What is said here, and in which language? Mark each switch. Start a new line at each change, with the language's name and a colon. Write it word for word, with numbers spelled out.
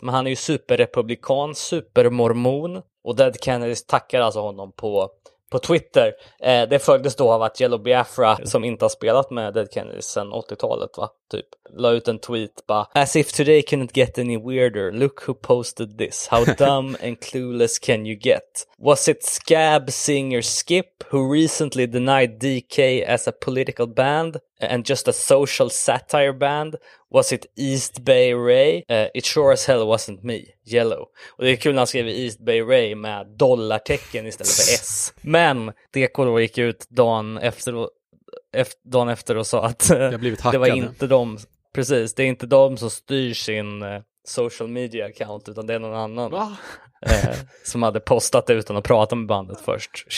Swedish: Men han är ju superrepublikan, supermormon. Och Dead Kennedys tackar alltså honom på... på Twitter. Eh, det följdes då av att Yellow Biafra, som inte har spelat med Dead Kennedys sedan åttiotalet va, typ, la ut en tweet bara
English: "As if today couldn't get any weirder. Look who posted this. How dumb and clueless can you get? Was it scab singer Skip who recently denied D K as a political band and just a social satire band? Was it East Bay Ray? Uh, it sure as hell wasn't me. Yellow."
Swedish: Och det är kul när han skriver East Bay Ray med dollartecken istället för S. Men D K gick ut dagen efter och, efter, dagen efter och sa att det var inte de, precis, det är inte de som styr sin uh,
English: social media account
Swedish: utan det är någon annan eh, som hade postat utan att prata med bandet först.